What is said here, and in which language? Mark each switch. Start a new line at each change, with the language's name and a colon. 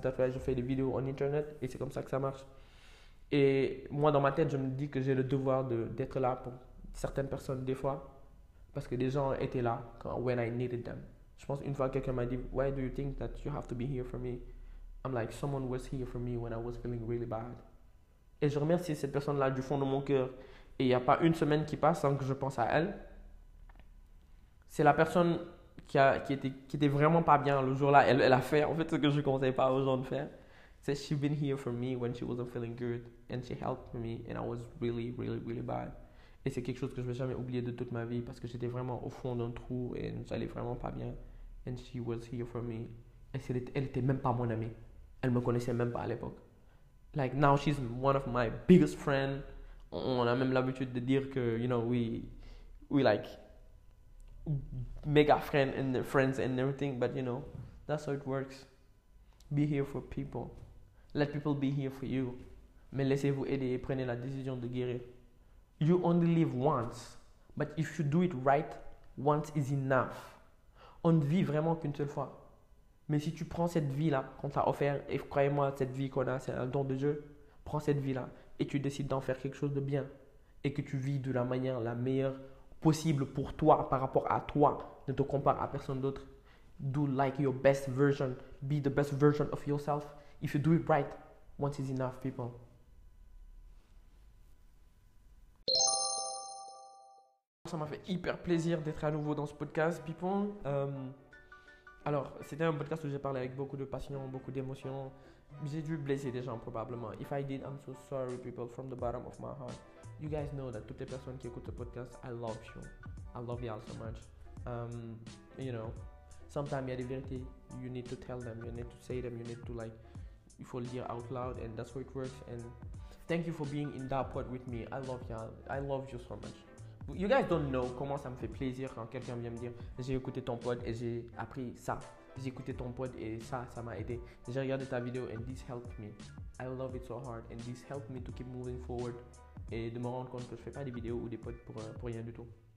English: That's why
French: je fais des vidéos on internet. Et c'est comme ça que ça marche. Et moi, dans ma tête, je me dis que j'ai le devoir d'être là pour certaines personnes des fois. Parce que des gens étaient là quand,
English: when I needed them.
French: Je pense une fois quelqu'un m'a dit,
English: why do you think that you have to be here for me? I'm like, someone was here for me when I was feeling really bad.
French: Et je remercie cette personne-là du fond de mon cœur. Et il n'y a pas une semaine qui passe sans que je pense à elle. C'est la personne qui était vraiment pas bien le jour-là. Elle a fait en fait ce que je ne conseille pas aux gens de faire.
English: C'est she been here for me when she wasn't feeling good. And she helped me and I was really, really, really bad.
French: Et c'est quelque chose que je ne vais jamais oublier de toute ma vie parce que j'étais vraiment au fond d'un trou et j'allais vraiment pas bien.
English: And she was here for me.
French: Et elle n'était même pas mon amie. Elle ne me connaissait même pas à l'époque.
English: Like now she's one of my biggest friends.
French: On a même l'habitude de dire que,
English: you know, we like mega friend and friends and everything, but you know, that's how it works. Be here for people. Let people be here for you.
French: Mais laissez-vous aider et prenez la décision de guérir.
English: You only live once, but if you do it right, once is enough.
French: On ne vit vraiment qu'une seule fois. Mais si tu prends cette vie-là qu'on t'a offert, et croyez-moi, cette vie qu'on a, c'est un don de Dieu, prends cette vie-là. Et tu décides d'en faire quelque chose de bien. Et que tu vis de la manière la meilleure possible pour toi, par rapport à toi. Ne te compare à personne d'autre.
English: Do like your best version. Be the best version of yourself. If you do it right, once is enough, people.
French: Ça m'a fait hyper plaisir d'être à nouveau dans ce podcast, people. Alors, c'était un podcast où j'ai parlé avec beaucoup de passion, beaucoup d'émotions. J'ai dû blesser des gens probablement.
English: If I did, I'm so sorry people from the bottom of my heart. You guys know that
French: toutes les personnes qui écoutent ce podcast,
English: I love you. I love y'all so much. You know, sometimes
French: il y a des vérités,
English: you need to tell them, you need to say them, you need to like,
French: il faut le dire
English: out loud and that's how it works. And thank you for being in that pod with me. I love y'all. I love you so much. You guys don't know
French: comment ça me fait plaisir quand quelqu'un vient me dire, j'ai écouté ton pod et j'ai appris ça. J'ai écouté ton pod et ça m'a aidé. J'ai regardé ta vidéo
English: and this helped me. I love it so hard and this helped me to keep moving forward
French: et de me rendre compte que je fais pas des vidéos ou des pods pour rien du tout.